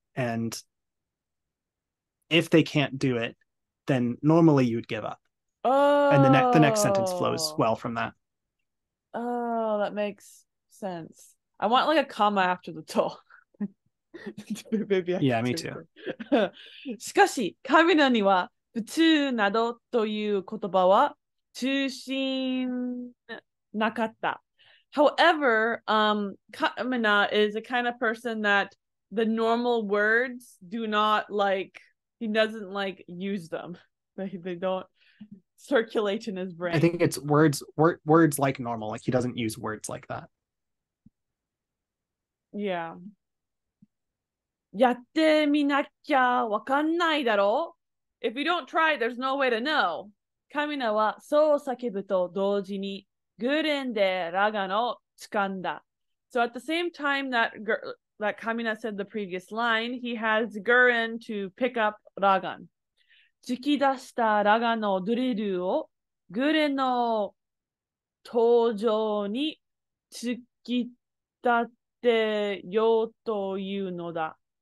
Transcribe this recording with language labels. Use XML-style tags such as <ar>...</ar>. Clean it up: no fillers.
<en>and if they can't do it, then normally you would give up. And the next sentence flows Oh. well from that. Oh, that makes sense. I want like a comma after the to. Yeah, me too.</en> <ja>しかし、神のには宇宙などという言葉は中心なかった。</ja> <en>However, Kamina is a kind of person that the normal words do not like, he doesn't like use them. They don't circulate in his brain. I think it's words like normal. Like he doesn't use words like that. Yeah.</en> <ja>やってみなきゃわかんないだろう?</ja> <en>If you don't try, there's no way to know.</en> <ja>Kamina はそう叫ぶと同時にグレンでラガンを掴んだ。</ja> <en>So at the same time that Kamina said the previous line, he has Gurren to pick up ラガン。</en> <ja>突き出したラガンのドリルをグレンの頭上に突き立てようというのだ。</ja>